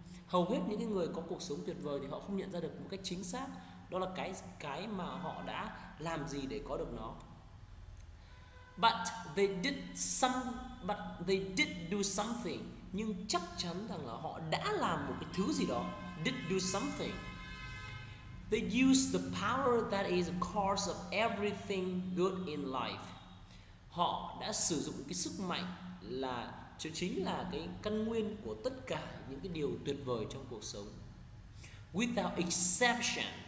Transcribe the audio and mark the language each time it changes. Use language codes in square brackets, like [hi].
[vi] Hầu hết những người có cuộc sống tuyệt vời thì họ không nhận ra được một cách chính xác đó là cái mà họ đã làm gì để có được nó. [en] But they did do something. [vi] Nhưng chắc chắn rằng là họ đã làm một cái thứ gì đó. [en] Did do something. They used the power that is the cause of everything good in life. [vi] Họ đã sử dụng cái sức mạnh là chính là cái căn nguyên của tất cả những cái điều tuyệt vời trong cuộc sống. [en] Without exception.